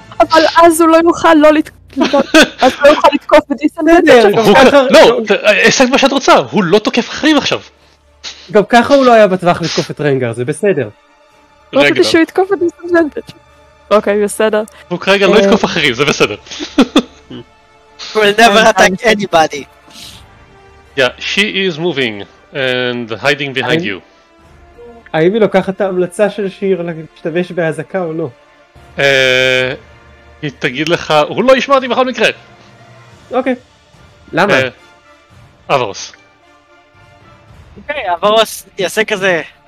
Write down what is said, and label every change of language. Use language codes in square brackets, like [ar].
[he] אבל אז הוא לא יוכל לא לתקוף בדיסנדר. לא, עשית מה שאת רוצה, הוא לא תוקף אחרים עכשיו. גם ככה הוא לא היה בטווח לתקוף את רנגר, זה בסדר. רציתי שהוא יתקוף את דיסנדר. אוקיי, בסדר. הוא כרגע לא יתקוף אחרים, זה בסדר. [en] We'll never attack anybody. Yeah, she is moving and hiding behind you. [he] האם היא לוקחת את ההמלצה של שיר להשתמש בהזעקה או לא? היא תגיד לך, הוא לא ישמע אותי בכל מקרה. אוקיי. למה? אברוס. אוקיי, אברוס יעשה כזה...